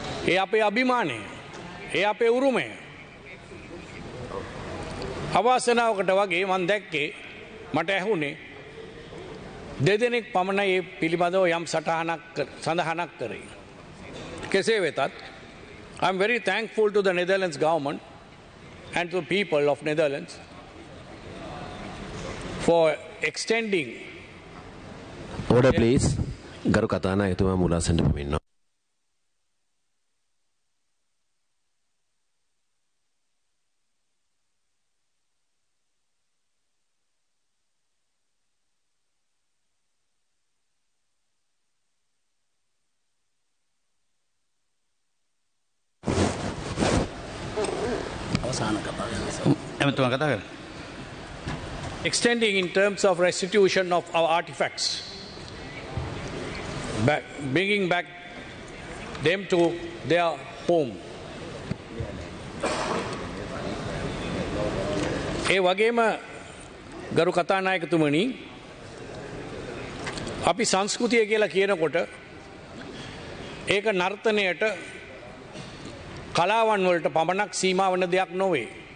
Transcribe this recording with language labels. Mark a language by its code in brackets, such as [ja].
[si] ඒ අපේ අභිමානය. ඒ අපේ උරුමය. අවාසනාවකට වගේ මන් දැක්කේ මට ඇහුනේ දෙදෙනෙක් පමණ ඒ පිළිබඳව යම් සඳහනක් කරේ. කෙසේ වෙතත් [en] I'm very thankful to the Netherlands government and to the people of Netherlands for extending. Order, please. Garu Katana, you have to send me. Extending in terms of restitution of our artifacts, bringing back them to their home. [si] ඒ වගේම ගරු කතානායකතුමනි අපි සංස්කෘතිය කියලා කියනකොට ඒක නර්තනයට කලාවන් වලට පමණක් සීමා වන දෙයක් නොවේ.